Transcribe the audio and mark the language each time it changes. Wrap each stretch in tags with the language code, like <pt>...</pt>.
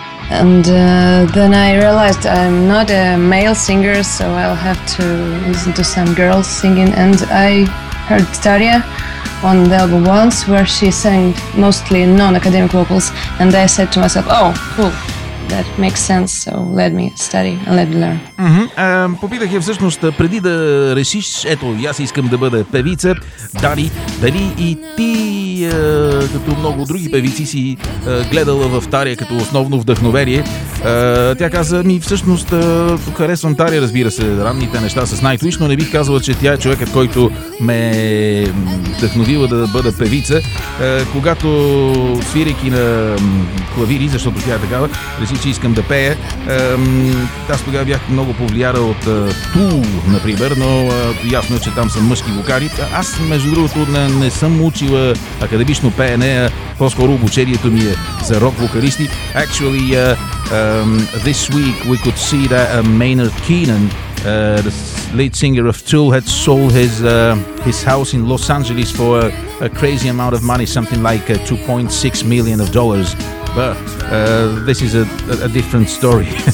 <en>And then I realized I'm not a male singer, so I'll have to listen to some girls singing. And I heard Tarja on the album Once, where she sang mostly non-academic vocals, and I said to myself, oh, cool. That makes sense, so let me study and let me learn. Mm-hmm.</en> <bg>Попитах я всъщност, преди да решиш, ето, аз искам да бъда певица, дали и ти, като много други певици, си гледала в Тария като основно вдъхновение. Тя каза, ми всъщност харесвам Тария, разбира се, ранните неща с Nightwish, но не бих казала, че тя е човекът, който ме вдъхновила да бъда певица. Когато свирейки на клавири, защото тя е такава, реши, че искам да пея, аз тогава бях много повлияна от Tool, например, но ясно е, че там са мъжки вокали. Аз, между другото, не съм учила академично пеене, по-скоро обучението ми е за рок-вокалисти.</bg> <en>Actually, this week we could see that Maynard Keenan, the lead singer of Tool, had sold his house in Los Angeles for a crazy amount of money, something like $2.6 million. But this is a different story.</en>